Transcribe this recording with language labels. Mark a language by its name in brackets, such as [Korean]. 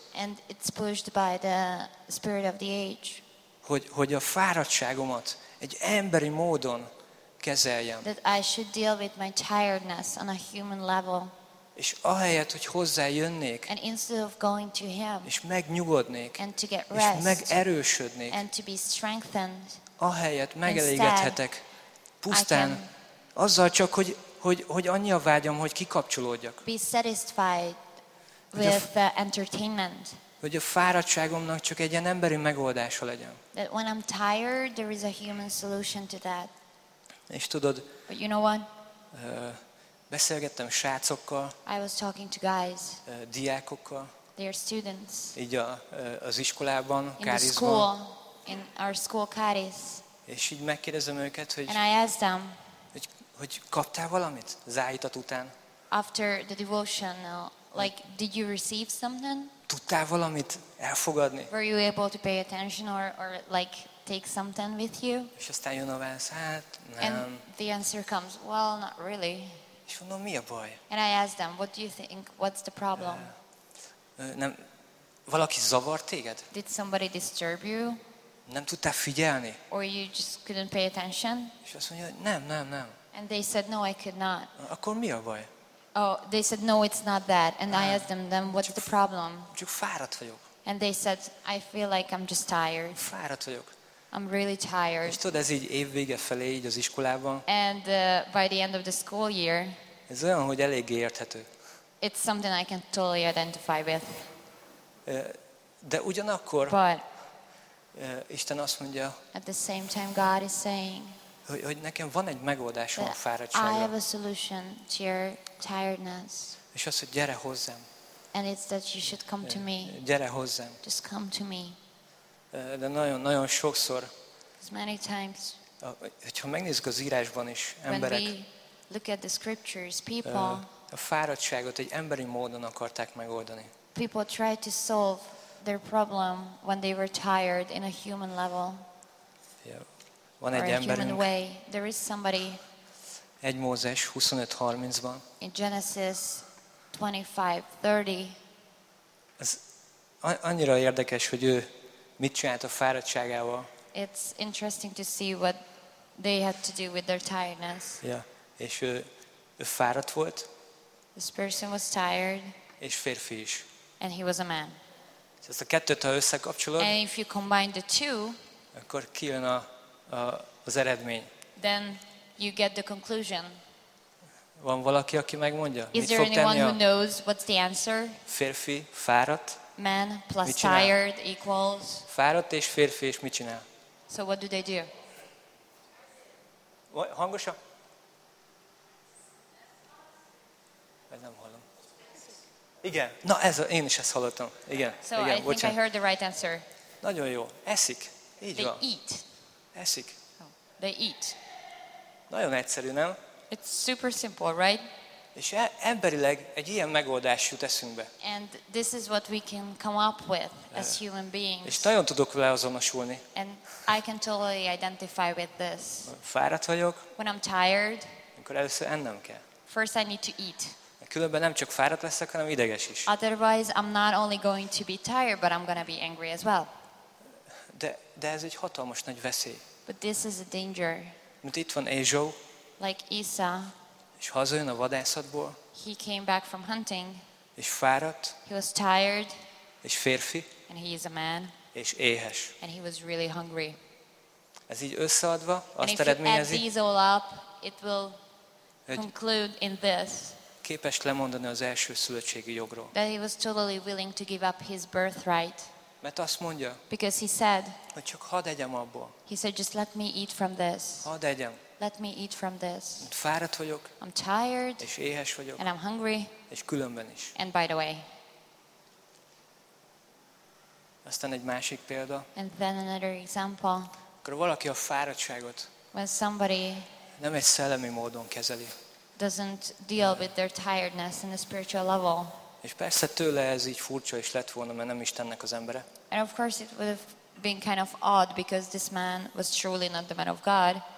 [English] And it's pushed by the spirit of the age. [Hungarian] Hogy a fáradtságomat egy emberi módon kezeljem. [English] That I should deal with my tiredness on a human level. [Hungarian] És ahelyett, hogy hozzájönnék, [English] and instead of going to him, [Hungarian] és megnyugodnék, [English] and to get rest, [Hungarian] és megerősödnék, [English] and to be strengthened, [Hungarian] ahelyett megelégedhetek pusztán azzal csak, hogy annyi a vágyam, hogy kikapcsolódjak. [English] Be satisfied with the entertainment. [Hungarian] Hogy a fáradtságomnak csak egy ilyen emberi megoldása legyen. [English] That when I'm tired, there is a human solution to that. [Hungarian] És tudod, [English] but you know what? [Hungarian] Beszélgettem srácokkal, [English] I was talking to guys, [Hungarian] diákokkal, [English] their students, [Hungarian] így az iskolában, [English] in Kárizban, the school, in our school Káriz. [Hungarian] És így megkérdezem őket, hogy, [English] and I asked them, [Hungarian] hogy kaptál valamit zájítat után? [English] After the devotional, like, did you receive something? [Hungarian] Tudtál valamit elfogadni? [English] Were you able to pay attention or like take something with you? [Hungarian] És aztán jön a válasz, hát nem. [English] And the answer comes, well, not really. [Hungarian] És mondom, mi a baj? [English] And I asked them, what do you think? What's the problem? [Hungarian] Nem, valaki zavart téged? [English] Did somebody disturb you? [Hungarian] Nem tudtál figyelni? [English] Or you just couldn't pay attention? [Hungarian] És azt mondja, nem. [English] And they said, no, I could not. [Hungarian] Akkor mi a baj? [English] Oh, they said, no, it's not that. And I asked them, what's the problem? [Hungarian] Csak fáradt vagyok. [English] And they said, I feel like I'm just tired. [Hungarian] Fáradt vagyok. [English] I'm really tired. [Hungarian] És tudod, ez így évvége felé, így az iskolában. [English] And by the end of the school year. [Hungarian] Ez olyan, hogy eléggé érthető. [English] It's something I can totally identify with. [Hungarian] De ugyanakkor. [English] But. [Hungarian] Isten azt mondja. [English] At the same time, God is saying. [Hungarian] Hogy nekem van egy megoldásom a fáradtságra. [English] I have a solution to your tiredness. [Hungarian] És azt, hogy gyere hozzám. [English] And it's that you should come to me. [Hungarian] Gyere hozzám. [English] Just come to me. [Hungarian] De nagyon, nagyon sokszor. [English] As many times. [Hungarian] Hogyha megnézzük az írásban is emberek. [English] When we look at the scriptures, people. [Hungarian] A fáradtságot egy emberi módon akarták megoldani. [English] People try to solve their problem when they were tired in a human level. [Hungarian] Yeah. Van egy emberünk. [English] There is somebody. [Hungarian] Egy Mózes 25:30-ban. [English] In Genesis 25:30. [Hungarian] Ez annyira érdekes, hogy ő mit csinált a fáradtságával. [English] It's interesting to see what they had to do with their tiredness. [Hungarian] Yeah. És ő fáradt volt. [English] This person was tired. [Hungarian] És férfi is. [English] And he was a man. [Hungarian] Ez a kettőt, ha összekapcsolod. [English] And if you combine the two. [Hungarian] Akkor kijön az eredmény. [English] Then you get the conclusion. [Hungarian] Van valaki, aki megmondja? [English] Is there anyone who knows what's the answer? [Hungarian] Férfi, fáradt. [English] Man plus tired equals. [Hungarian] Fáradt és férfi, és mit csinál? [English] So what do they do? [Hungarian] Hangosan? Nem hallom. Igen. Na ez, én is ezt hallottam. Igen. [English] So [Hungarian] igen, [English] I think I heard the right answer. [Hungarian] Nagyon jó. Eszik. Így [English] they [Hungarian] van. [English] They eat. [Hungarian] Eszik. [English] They eat. [Hungarian] Nagyon egyszerű, nem? [English] It's super simple, right? [Hungarian] És emberileg egy ilyen megoldás jut eszünkbe. [English] And this is what we can come up with as human beings. [Hungarian] És nagyon tudok vele azonosulni. [English] And I can totally identify with this. [Hungarian] Fáradt vagyok. [English] When I'm tired. [Hungarian] Akkor először ennem kell. [English] First I need to eat. [Hungarian] Különben nem csak fáradt leszek, hanem ideges is. [English] Otherwise I'm not only going to be tired, but I'm going to be angry as well. [Hungarian] De ez egy hatalmas nagy veszély. [English] But this is a danger. [Hungarian] Mint itt van Ézsó. [English] Like Isa. [Hungarian] És hazajön a vadászatból. [English] He came back from hunting. [Hungarian] És fáradt. [English] He was tired. [Hungarian] És férfi. [English] And he is a man. [Hungarian] És éhes. [English] And he was really hungry. [Hungarian] Ez így összeadva azt eredményezi. [English] And if you add these all up, it will conclude in this. [Hungarian] Képes lemondani az első szülöttségi jogról. [English] That he was totally willing to give up his birthright. [Hungarian] Mert azt mondja, [English] because he said, [Hungarian] hogy csak hadd egyem abból. [English] He said, just let me eat from this. [Hungarian] Hadd egyem. [English] Let me eat from this. [Hungarian] Fáradt vagyok. [English] I'm tired. [Hungarian] És éhes vagyok. [English] And I'm hungry. [Hungarian] És különben is. [English] And by the way. [Hungarian] Aztán egy másik példa. [English] And then another example. [Hungarian] Akkor valaki a fáradtságot [English] when somebody [Hungarian] nem egy szellemi módon kezeli. [English] Doesn't deal with their tiredness in a spiritual level. [Hungarian] És persze tőle ez így furcsa is lett volna, mert nem Istennek az embere. [English] And of course it would have been kind of odd because this man was truly not the man of God.